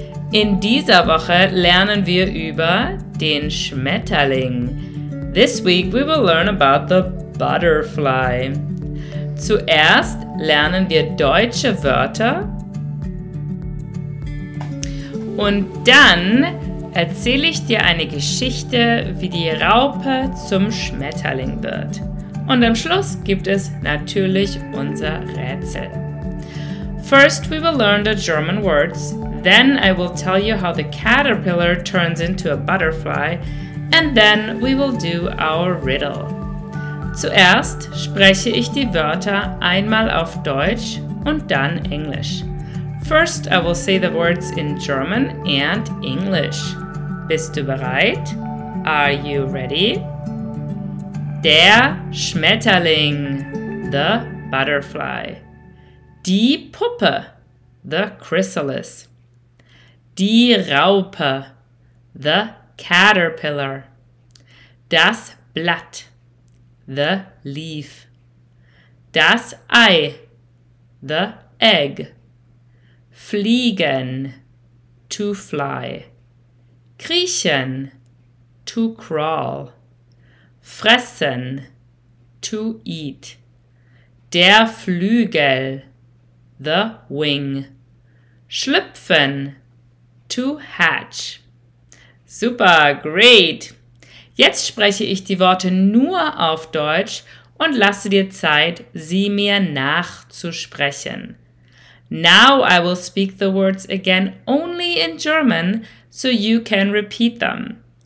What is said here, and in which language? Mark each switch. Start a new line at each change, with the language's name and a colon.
German: In dieser Woche lernen wir über den Schmetterling.
English: This week we will learn about the butterfly.
German: Zuerst lernen wir deutsche Wörter und dann erzähle ich dir eine Geschichte, wie die Raupe zum Schmetterling wird. Und am Schluss gibt es natürlich unser Rätsel.
English: First we will learn the German words, then I will tell you how the caterpillar turns into a butterfly, and then we will do our riddle.
German: Zuerst spreche ich die Wörter einmal auf Deutsch und dann Englisch.
English: First I will say the words in German and English.
German: Bist du bereit?
English: Are you ready?
German: Der Schmetterling,
English: the butterfly.
German: Die Puppe,
English: the chrysalis.
German: Die Raupe,
English: the caterpillar.
German: Das Blatt,
English: the leaf.
German: Das Ei,
English: the egg.
German: Fliegen,
English: to fly.
German: Kriechen,
English: to crawl.
German: Fressen,
English: to eat.
German: Der Flügel,
English: the wing.
German: Schlüpfen,
English: to hatch. Super, great!
German: Jetzt spreche ich die Worte nur auf Deutsch und lasse dir Zeit, sie mir nachzusprechen.
English: Now I will speak the words again only in German, so you can repeat them.